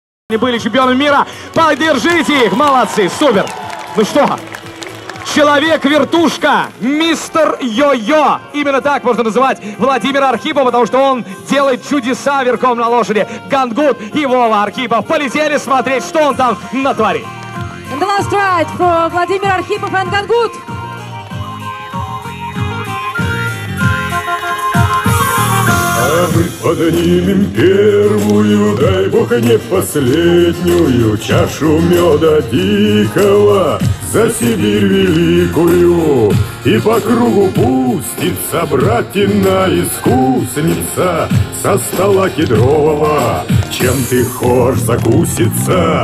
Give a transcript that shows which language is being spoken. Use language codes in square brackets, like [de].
[ru] Они были чемпионами мира. Поддержите их, молодцы, супер. Ну что, человек-вертушка, мистер Йо-Йо. Именно так можно называть Владимира Архипова, потому что он делает чудеса верхом на лошади. Гангут и Вова Архипов полетели смотреть, что он там натворит. [en] The last ride for Владимир Архипов and Гангут. [ru] А мы поднимем первую, дай бог, не последнюю чашу меда дикого за Сибирь великую. И по кругу пустится братина искусница со стола кедрового, чем ты хочешь закуситься.